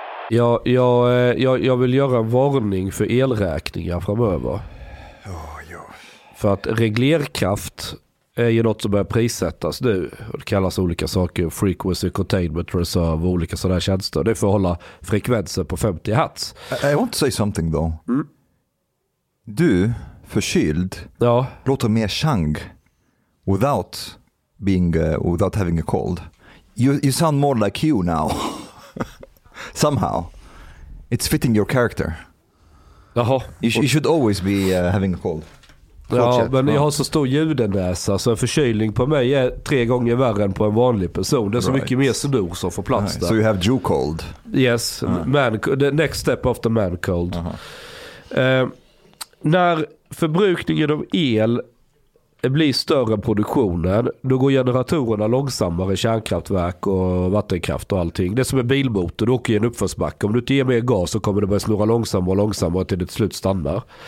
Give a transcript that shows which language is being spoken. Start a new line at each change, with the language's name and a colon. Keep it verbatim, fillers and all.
Swedish: Jag, jag, jag, jag vill göra en varning för elräkningar framöver. Oh, ja. För att reglerkraft är ju något som börjar prissättas nu. Det kallas olika saker, frequency, containment, reserve och olika sådana tjänster. Det är för att hålla frekvenser på femtio hertz.
English: I, I want to say something though.
Swedish: Mm. Du, förkyld, ja. Låter mer
English: chang without, being, uh, without having a cold. You, you sound more like you now. Somehow, it's fitting your character.
Swedish: Jaha.
English: You, sh- you should always be uh, having a cold.
Swedish: Ja, men jag har så stor ljudenäsa så en förkylning på mig är tre gånger värre än på en vanlig person. Det är så right. Mycket mer snor som får plats right. Där.
English: So you have Jew cold. Yes, uh-huh. man, the next step after man cold.
Swedish: Uh-huh. Uh, när förbrukningen av el blir större än produktionen, då går generatorerna långsammare, kärnkraftverk och vattenkraft och allting. Det är som en bilmotor, du åker i en uppförsbacke. Om du inte ger mer gas så kommer det börja snurra långsammare och långsammare till det till slut stannar.